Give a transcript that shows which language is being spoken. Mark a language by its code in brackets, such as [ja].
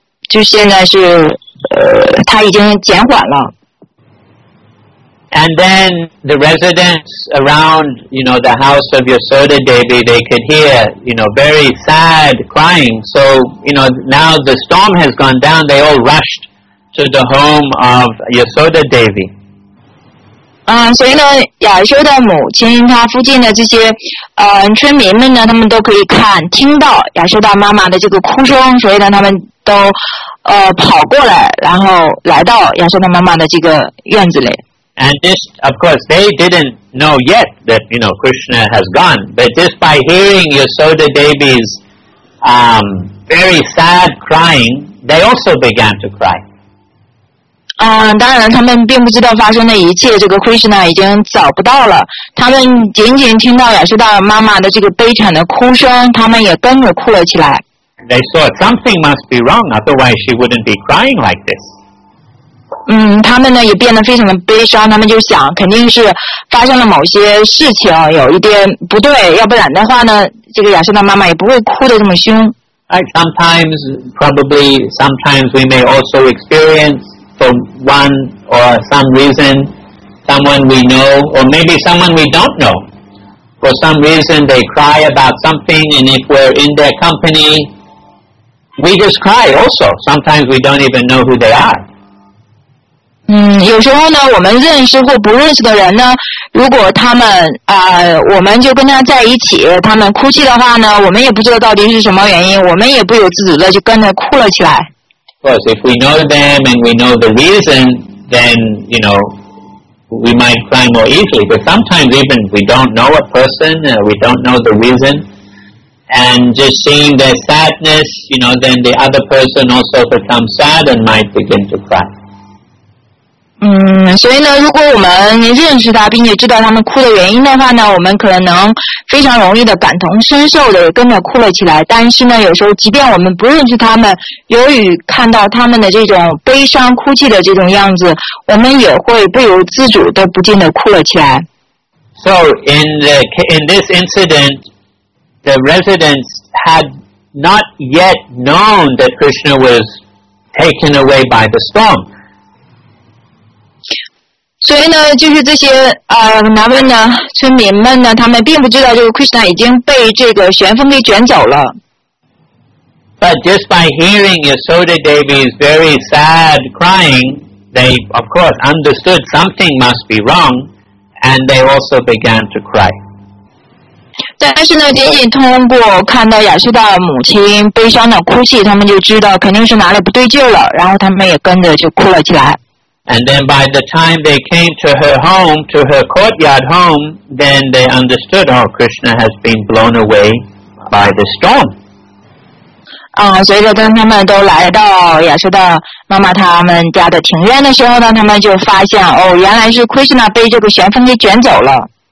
[zh] 就现在是他已经减缓了。 [en] And then the residents around, you know, the house of Yasoda Devi, they could hear, you know, very sad crying. So, you know, now the storm has gone down, they all rushed to the home of Yasoda Devi. [zh] 所以呢亚修的母亲他附近的这些村民们呢他们都可以看听到亚修的妈妈的这个哭声，所以呢他们都跑过来，然后来到亚修的妈妈的这个院子里。 [en] And this, of course, they didn't know yet that, you know, Krishna has gone, but just by hearing Yasoda Devi's very sad crying, they also began to cry. [zh] 当然他们并不知道发生的一切，这个 Krishna 已经找不到了。他们仅仅听到亚瑟大妈妈的这个悲惨的哭声，他们也跟着哭了起来。 [en] They thought something must be wrong, otherwise she wouldn't be crying like this. [zh] 他们呢也变得非常的悲伤，他们就想肯定是发生了某些事情，有一点不对，要不然的话呢，这个亚瑟大妈妈也不会哭得这么凶。 [en] Like sometimes, probably, sometimes we may also experience for one or some reason, someone we know, or maybe someone we don't know. For some reason, they cry about something, and if we're in their company, we just cry also. Sometimes we don't even know who they are. [zh] 有时候呢，我们认识或不认识的人呢，如果他们我们就跟他在一起，他们哭泣的话呢，我们也不知道到底是什么原因，我们也不由自主的就跟着哭了起来。 [en] Of course, if we know them and we know the reason, then you know we might cry more easily. But sometimes even we don't know a person, we don't know the reason, and just seeing their sadness, you know, then the other person also becomes sad and might begin to cry. [zh] 所以呢，如果我们认识他，并且知道他们哭的原因的话呢，我们可能非常容易的感同身受的跟着哭了起来。但是呢，有时候即便我们不认识他们，由于看到他们的这种悲伤哭泣的这种样子，我们也会不由自主的不禁的哭了起来。 [en] So in this incident, the residents had not yet known that Krishna was taken away by the storm. [zh] 所以呢，就是这些南湾的村民们呢，他们并不知道这个 Krishna 已经被这个旋风给卷走了。 [en] But just by hearing Yasoda Devi's very sad crying, they of course understood something must be wrong, and they also began to cry. [zh] 但是呢，仅仅通过看到亚修达母亲悲伤的哭泣，他们就知道肯定是哪里不对劲了，然后他们也跟着就哭了起来。 [en] And then by the time they came to her home, to her courtyard home, then they understood, oh, Krishna has been blown away by the storm. [zh] 所以当他们都来到亚瑟的妈妈他们家的庭院的时候呢，他们就发现，哦，原来是 Krishna 被这个旋风给卷走了。